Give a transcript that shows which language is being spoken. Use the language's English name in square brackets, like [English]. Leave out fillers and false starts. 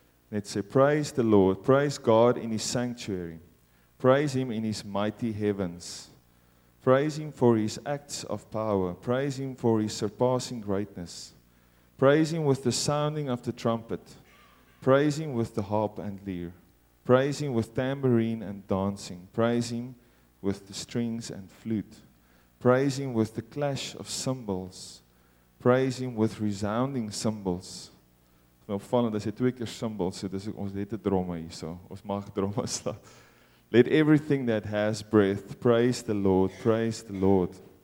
[Afrikaans] net sê, [English] praise the Lord, praise God in his sanctuary, praise him in his mighty heavens, praise him for his acts of power, praise him for his surpassing greatness, praise him with the sounding of the trumpet, praise him with the harp and lyre, praise him with tambourine and dancing, praise him with the strings and flute, praise him with the clash of cymbals, praise him with resounding cymbals. [Afrikaans] Nou opvallend, as hy twee keer cymbals, so dis ons het 'n dromme hier, so ons mag dromme slaan. [English] Let everything that has breath praise the Lord, praise the Lord.